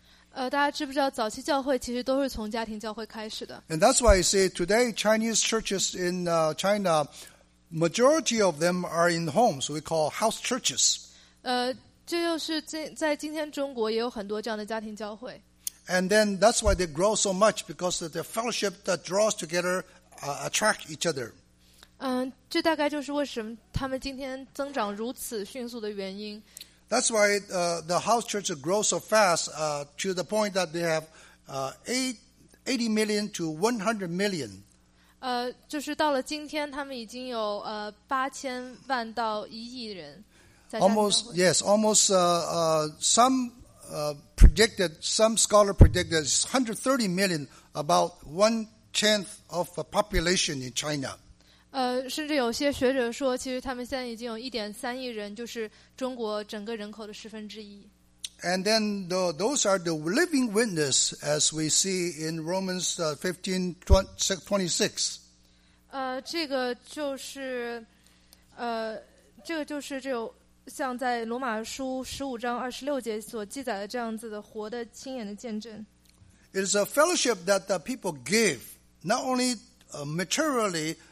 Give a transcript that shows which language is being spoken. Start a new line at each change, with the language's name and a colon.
Chinese: 大家知不知道早期教会其实都是从家庭教会开始的。
English: And that's why I say today Chinese churches in China, majority of them are in homes, we call house churches.
Chinese: 这就是在今天中国也有很多这样的家庭教会。
English: And then that's why they grow so much, because the fellowship that draws together attract each other.
Chinese: 这大概就是为什么他们今天增长如此迅速的原因。
English: That's why the house church grows so fast to the point that they have 80 million to 100 million.
Chinese: 就是到了今天他们已经有8000万到1亿人。
English: Almost some predicted, some scholar predicted 130 million, about one 1/10 of the population in China.
Chinese: 甚至有些学者说，其实他们现在已经有1.3亿人，就是中国整个人口的十分之一。
English: And then those are the living witness, as we see in Romans 15:26.
Chinese: 这个就是，这个就是这种像在罗马书15:26所记载的这样子的活的亲眼的见证。
English: It is a fellowship that the people give, not only materially.